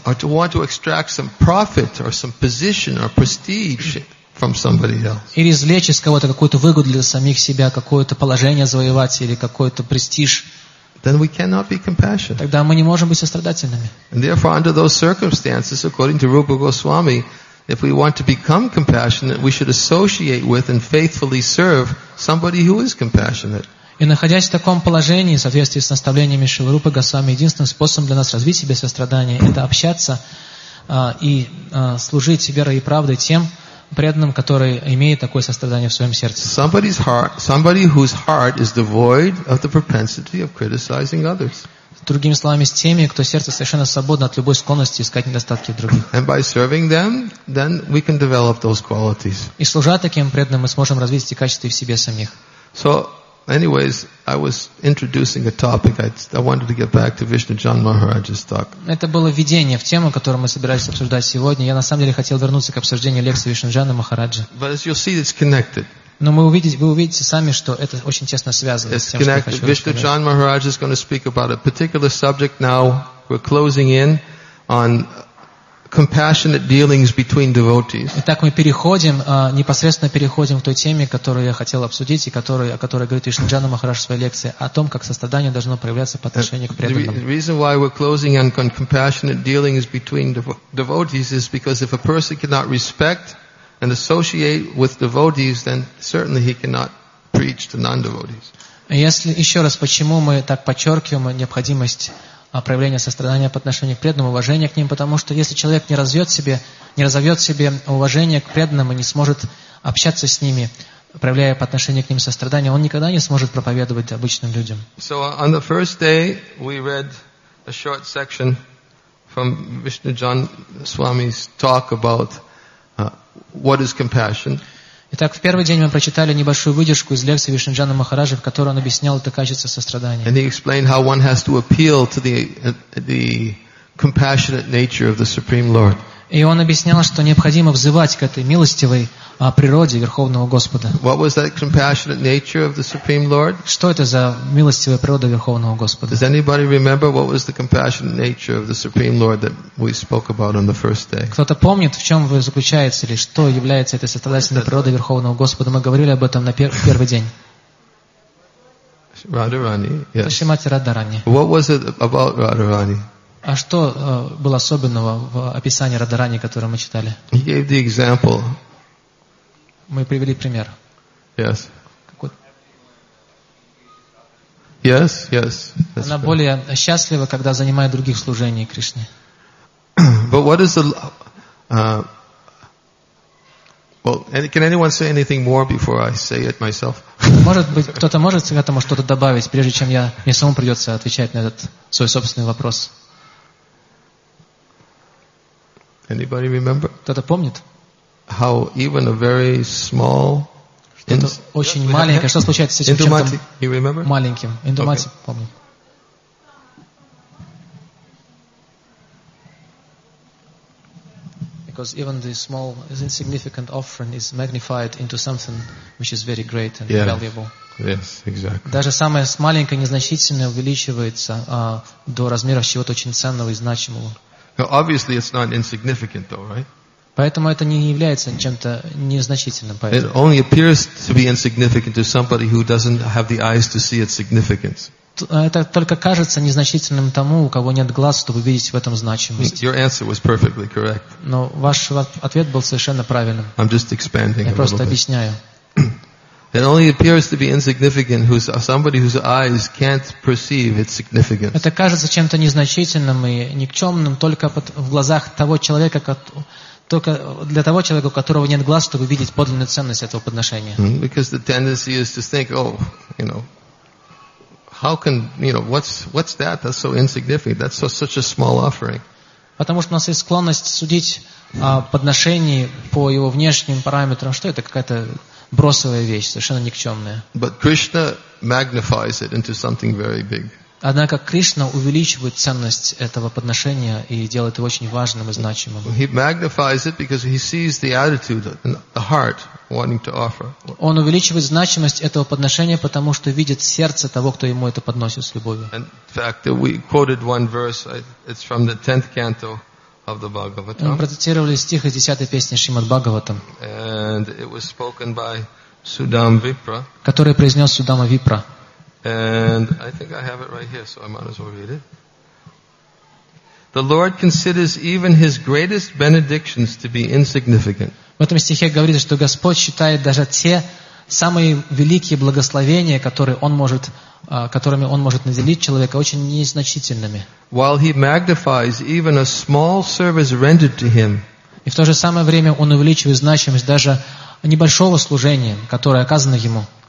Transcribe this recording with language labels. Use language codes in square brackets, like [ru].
[en] Or to want to extract some profit or some position or prestige from somebody else. [ru] Или извлечь из кого-то какую-то выгоду для самих себя, какое-то положение завоевать или какой-то престиж. [en] Then we cannot be compassionate. [ru] Тогда мы не можем быть сострадательными. [en] And therefore, under those circumstances, according to Rupa Goswami, if we want to become compassionate, we should associate with and faithfully serve somebody who is compassionate. [ru] И находясь в таком положении, в соответствии с наставлениями Шрилы Рупы Госвами, единственный способ для нас развить себе сострадание – это общаться и служить верой и правдой тем преданным, которые имеют такое сострадание в своем сердце. [en] Somebody whose heart is devoid of the propensity of criticizing others. [ru] Другими словами, с теми, кто сердце совершенно свободно от любой склонности искать недостатки в других. [en] And by serving them, then we can develop those qualities. [ru] И служа таким преданным, мы сможем развить эти качества в себе самих. [en] So, anyways, I was introducing a topic. I wanted to get back to Vishnujan Maharaj's talk. [ru] Это было введение в тему, которую мы собирались обсуждать сегодня. Я на самом деле хотел вернуться к обсуждению лекции Вишнуджана Махараджа. [en] But as you'll see, it's connected. [ru] Но вы увидите сами, что это очень тесно связано. [en] It's connected. Vishnujan Maharaj is going to speak about a particular subject now. We're closing in on compassionate dealings between devotees. [ru] Итак, мы переходим, непосредственно переходим к той теме, которую я хотел обсудить и о которой говорит Вишнуджана Махарадж в своей лекции, о том, как сострадание должно проявляться по отношению к преданным. [en] The reason why we're closing on compassionate dealings between devotees is because if a person cannot respect and associate with devotees, then certainly he cannot preach to non-devotees. [ru] Если еще раз, почему мы так подчеркиваем необходимость проявление сострадания по отношению к преданным, уважение к ним, потому что если человек не разовьет себе уважение к преданным и не сможет общаться с ними, проявляя по отношению к ним сострадание, он никогда не сможет проповедовать обычным людям. [en] So on the first day we read a short section from Vishnujan Swami's talk about what is compassion. [ru] Итак, в первый день мы прочитали небольшую выдержку из лекции Вишнуджана Махараджи, в которой он объяснял это качество сострадания. [en] And he explained how one has to appeal to the compassionate nature of the Supreme Lord. [ru] И он объяснял, что необходимо взывать к этой милостивой природе Верховного Господа. [en] What was that compassionate nature of the Supreme Lord? [ru] Что это за милостивая природа Верховного Господа? [en] Does anybody remember what was the compassionate nature of the Supreme Lord that we spoke about on the first day? [ru] Кто-то помнит, в чем заключается или что является этой сострадательной природой Верховного Господа? Мы говорили об этом на первый день. [en] Радхарани, yes. [ru] Шримати Радхарани. [en] What was it about Радхарани? [ru] А что было особенного в описании Радарани, которое мы читали? [en] He gave the example. [ru] Мы привели пример. [en] Yes. Yes, yes. That's [ru] Она [en] fair. [ru] Более счастлива, когда занимает других служений Кришне. [en] But what is the can anyone say anything more before I say it myself? [ru] Может быть, кто-то может к этому что-то добавить, прежде чем я мне самому придется отвечать на этот свой собственный вопрос. [en] Anybody remember? [ru] Кто-то помнит? [en] How even a very small [ru] Это очень [en] yes, [ru] маленькое. Что случается с этим Indumati. Чем-то [en] you [ru] маленьким? Индумати, okay. Помню. [en] Because even the small, insignificant offering is magnified into something which is very great and yes. valuable. Yes, exactly. [ru] Даже самое маленькое, незначительное увеличивается до размеров чего-то очень ценного и значимого. [en] Now, obviously, it's not insignificant, though, right? [ru] Поэтому это не является чем-то незначительным. Поэтому. [en] It only appears to be insignificant to somebody who doesn't have the eyes to see its significance. [ru] Это только кажется незначительным тому, у кого нет глаз, чтобы видеть в этом значимость. [en] Your answer was perfectly correct. [ru] Но ваш ответ был совершенно правильным. [en] I'm just expanding. [ru] Я просто объясняю. [en] It only appears to be insignificant who's somebody whose eyes can't perceive its significance. [ru] Это кажется чем-то незначительным и никчемным только в глазах того человека, только для того человека, у которого нет глаз, чтобы видеть подлинную ценность этого подношения. [en] Because the tendency is to think, oh, you know, how can, you know, what's that? That's so insignificant. That's so, such a small offering. [ru] Потому что у нас есть склонность судить о подношении по его внешним параметрам, что это какая-то бросовая вещь, совершенно никчемная. [en] But Krishna magnifies it into something very big. [ru] Однако Кришна увеличивает ценность этого подношения и делает его очень важным и значимым. [en] He magnifies it because he sees the attitude and the heart wanting to offer. [ru] Он увеличивает значимость этого подношения, потому что видит сердце того, кто ему это подносит с любовью. [en] And in fact, we quoted one verse. It's from the 10th canto of the Bhagavatam. [ru] Мы процитировали стих из 10-й песни Шримад Бхагаватам. [en] And it was spoken by Sudama Vipra. [ru] Который произнес Судама Випра. [en] And I think I have it right here, so I might as well read it. The Lord considers even His greatest benedictions to be insignificant. [ru] В этом стихе говорится, что Господь считает даже те самые великие благословения, которыми Он может наделить человека, очень незначительными. [en] While He magnifies even a small service rendered to Him. [ru] И в то же самое время Он увеличивает значимость даже небольшого служения, которое оказано Ему.